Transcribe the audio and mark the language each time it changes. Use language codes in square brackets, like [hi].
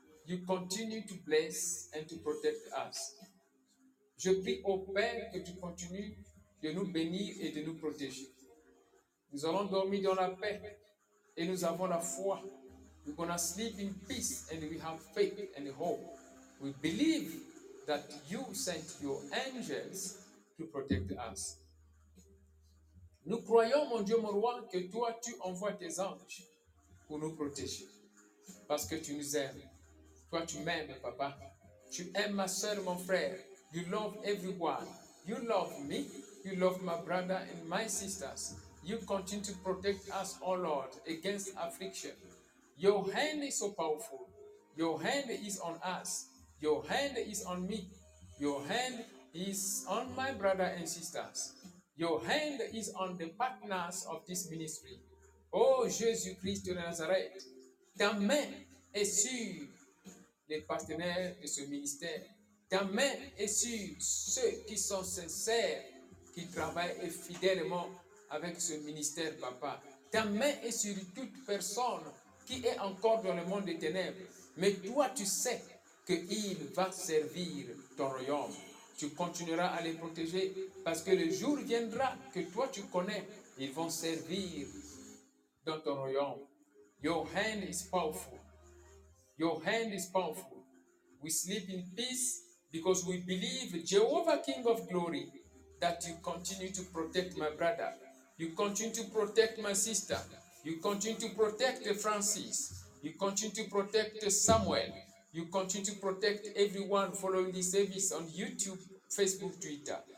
[en] You continue to bless and to protect us. [fr] Je prie au Père que tu continues de nous bénir et de nous protéger. Nous allons dormir dans la paix et nous avons la foi. [en] We're going to sleep in peace and we have faith and hope. We believe that you sent your angels to protect us. [fr] Nous croyons, mon Dieu, mon roi, que toi, tu envoies tes anges pour nous protéger. Parce que tu nous aimes. Toi, tu m'aimes, papa. Tu aimes ma soeur, mon frère. [en] You love everyone. You love me. You love my brother and my sisters. You continue to protect us, oh Lord, against affliction. Your hand is so powerful. Your hand is on us. Your hand is on me. Your hand is on my brother and sisters. Your hand is on the partners of this ministry. [fr] Oh, Jésus Christ de Nazareth, ta main est sur les partenaires de ce ministère. Ta main est sur ceux qui sont sincères, qui travaillent fidèlement avec ce ministère, papa. Ta main est sur toute personne qui est encore dans le monde des ténèbres. Mais toi, tu sais qu'il va servir ton royaume. Tu continueras à les protéger parce que le jour viendra que toi tu connais, ils vont servir dans ton royaume. [en] Your hand is powerful. Your hand is powerful. We sleep in peace because we believe, Jehovah King of Glory, that you continue to protect my brother. You continue to protect my sister. You continue to protect Francis. You continue to protect Samuel. You continue to protect everyone following this service on YouTube, Facebook, Twitter.